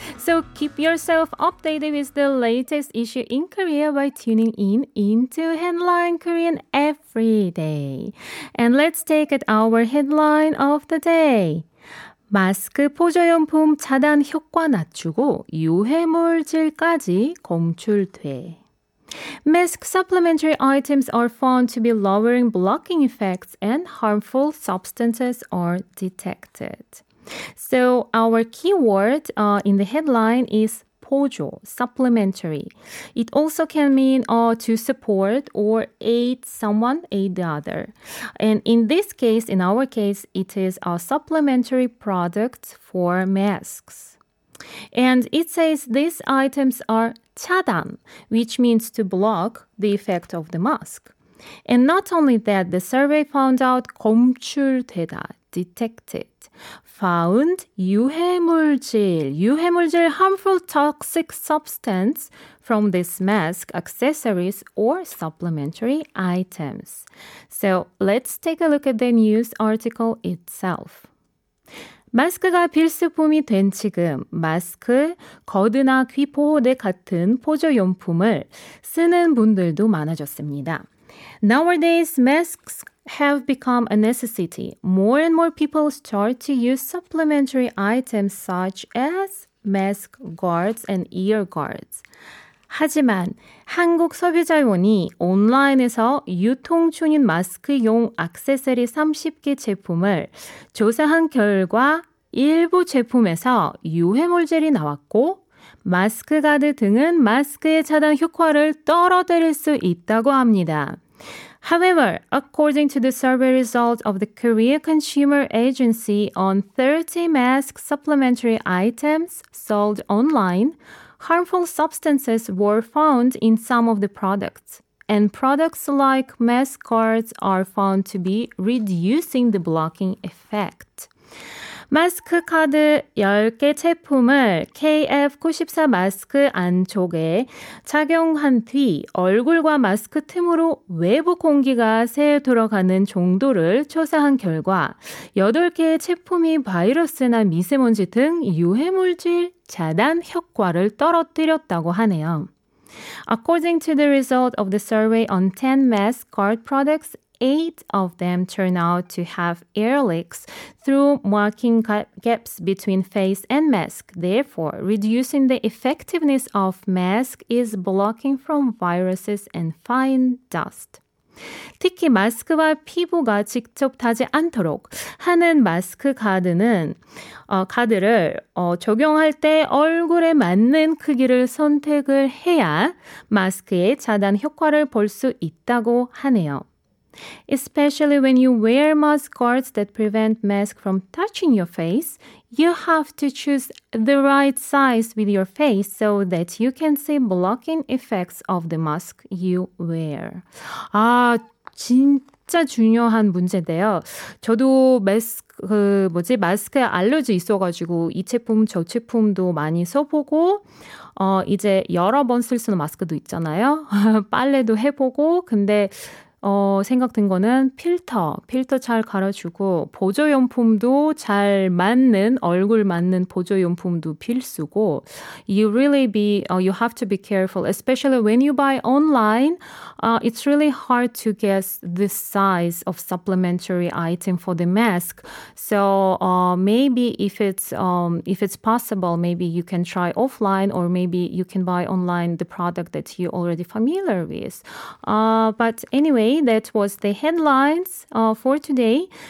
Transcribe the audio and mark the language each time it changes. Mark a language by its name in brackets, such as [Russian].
[English] So keep yourself updated with the latest issue in Korea by tuning in into Headline Korean every day. And let's take it our headline of the day. [Korean] 마스크 보조용품 차단 효과 낮추고 유해물질까지 검출돼. [English] Mask supplementary items are found to be lowering blocking effects and harmful substances are detected. So our keyword in the headline is 보조, supplementary. It also can mean to support or aid someone, aid the other. And in this case, in our case, it is a supplementary product for masks. And it says these items are 차단, which means to block the effect of the mask. And not only that, the survey found out 검출되다, detected. Found 유해물질, 유해물질 harmful toxic substance from this mask, accessories, or supplementary items. So let's take a look at the news article itself. [Korean] 마스크가 필수품이 된 지금, 마스크, 거드나 귀 보호대 같은 보조용품을 쓰는 분들도 많아졌습니다. [English] Nowadays, masks have become a necessity. More and more people start to use supplementary items such as mask guards and ear guards. [Korean] 하지만 한국 소비자원이 온라인에서 유통 중인 마스크용 액세서리 30개 제품을 조사한 결과 일부 제품에서 유해물질이 나왔고 마스크 가드 등은 마스크의 차단 효과를 떨어뜨릴 수 있다고 합니다. [English] However, according to the survey results of the Korea Consumer Agency on 30 mask supplementary items sold online, harmful substances were found in some of the products. And products like mask guards are found to be reducing the blocking effect. [Korean] 마스크 카드 10개 제품을 KF94 마스크 안쪽에 착용한 뒤 얼굴과 마스크 틈으로 외부 공기가 새 들어가는 정도를 조사한 결과 8개의 제품이 바이러스나 미세먼지 등 유해물질 차단 효과를 떨어뜨렸다고 하네요. [English] According to the result of the survey on 10 mask guard products, 8 of them turn out to have air leaks through marking gaps between face and mask. Therefore, reducing the effectiveness of mask is blocking from viruses and fine dust. [Korean] 특히 마스크와 피부가 직접 닿지 않도록 하는 마스크 가드는 가드를 적용할 때 얼굴에 맞는 크기를 선택을 해야 마스크의 차단 효과를 볼 수 있다고 하네요. [English] Especially when you wear mask guards that prevent mask from touching your face, you have to choose the right size with your face so that you can see blocking effects of the mask you wear. [Korean] 아, 진짜 중요한 문제인데요. 저도 마스크에 알러지 있어가지고 이 제품 저 제품도 많이 써보고 이제 여러 번 쓸 수 있는 마스크도 있잖아요. 빨래도 해보고 근데 생각된 거는 필터 잘 갈아주고 보조용품도 잘 맞는 얼굴 맞는 보조용품도 필수고 [English] you have to be careful especially when you buy online it's really hard to guess the size of supplementary item for the mask so maybe if it's possible maybe you can try offline or maybe you can buy online the product that you already familiar with but anyway That was the headlines for today.